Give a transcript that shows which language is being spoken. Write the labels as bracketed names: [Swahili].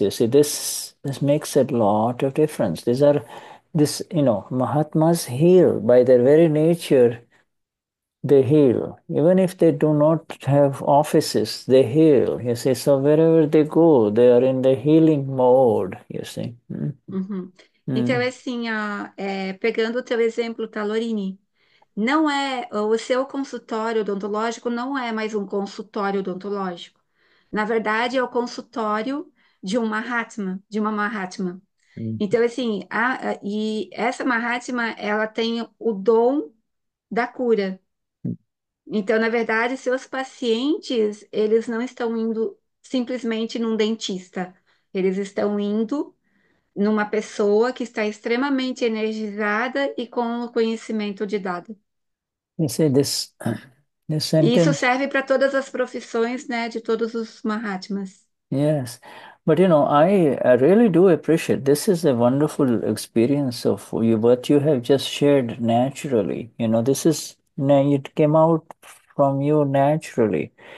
[English] You see, this makes a lot of difference. Mahatmas heal. By their very nature, they heal. Even if they do not have offices, they heal. You see, so wherever they go, they are in the healing mode, you see. [Portuguese] Então, assim, ó, pegando o teu exemplo, tá, Lorini? Não é, o seu consultório odontológico não é mais um consultório odontológico. Na verdade, é o consultório de um Mahatma, de uma Mahatma. Então, assim, e essa Mahatma, ela tem o dom da cura. Então, na verdade, seus pacientes, eles não estão indo simplesmente num dentista. Eles estão indo numa pessoa que está extremamente energizada e com o conhecimento de dado. [English] You see this [Portuguese] E isso [English] sentence. [Portuguese] serve para todas as profissões, né, de todos os Mahatmas. [English] Yes. But I really do appreciate. This is a wonderful experience of you, what you have just shared naturally. This is now it came out from you naturally.